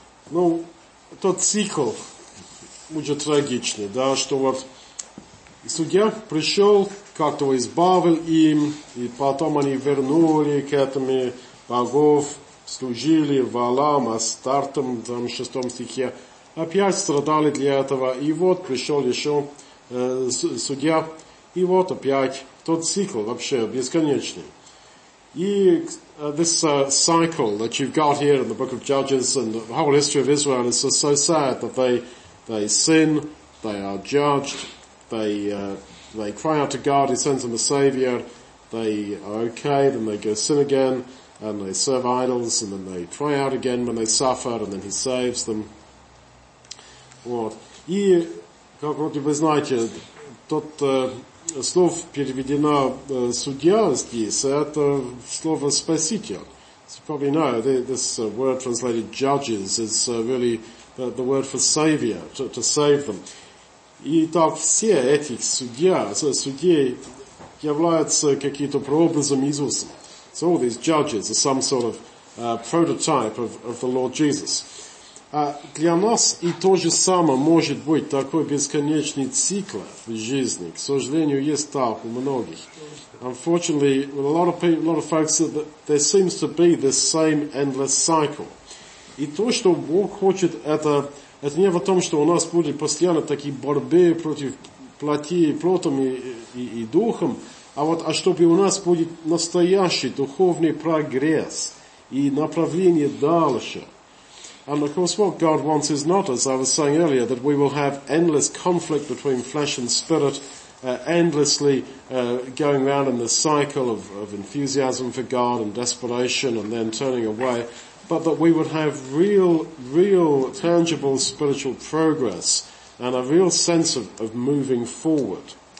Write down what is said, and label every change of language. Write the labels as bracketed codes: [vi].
[ru] Ну, тот цикл будет трагичный, да, что вот судья пришел, как-то избавил им, и потом они вернули к этому богов, служили Валам, Астартам, там, в 6 стихе, опять страдали для этого, и вот пришел еще судья, и вот опять тот цикл вообще бесконечный. [en] И this cycle that you've got here in the book of Judges and the whole history of Israel is so sad that they sin, they are judged, they cry out to God, he sends them a savior, they are okay, then they go sin again, and they serve idols, and then they cry out again when they suffer, and then he saves them. [ru] Вот. И, как вроде вы знаете, тот... Слово переведено судья здесь, это слово спаситель. [en] So you probably know this word translated judges is really the word for savior, to save them. [ru] И так все эти судьи являются какие-то прообразом Иисуса. [en] So all these judges are some sort of prototype of the Lord Jesus. [ru] А для нас и то же самое может быть такой бесконечный цикл в жизни. К сожалению, есть так у многих. [en] Unfortunately, with a lot of folks, there seems to be this same endless cycle. [ru] И то, что Бог хочет, это не в том, что у нас будет постоянно такие борьбы против плоти, плотом и духом, а чтобы у нас будет настоящий духовный прогресс и направление дальше. [en] And of course, what God wants is not, as I was saying earlier, that we will have endless conflict between flesh and spirit, endlessly going round in the cycle of enthusiasm for God and desperation and then turning away, but that we would have real, real tangible spiritual progress and a real sense of moving forward.